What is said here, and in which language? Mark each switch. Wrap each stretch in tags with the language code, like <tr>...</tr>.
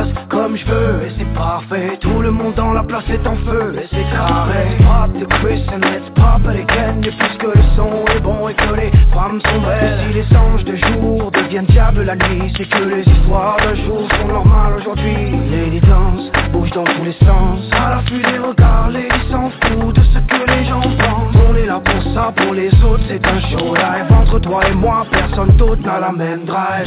<fr>Comme je veux et c'est parfait. Tout le monde dans la place est en feu et c'est carré.</fr> <en>Let's pop the Chris and let's pop it again.</en> <fr>Et puisque le son est bon et que les femmes sont belles, et si les anges de jour deviennent diables la nuit, c'est que les histoires d'un jour sont normales aujourd'hui. Lady dance, bouge dans tous les sens. À l'affût des regards, Lady s'en fout de ce que les gens pensent. On est là pour ça, pour les autres c'est un show live. Entre toi et moi, personne d'autre n'a la même drive.</fr>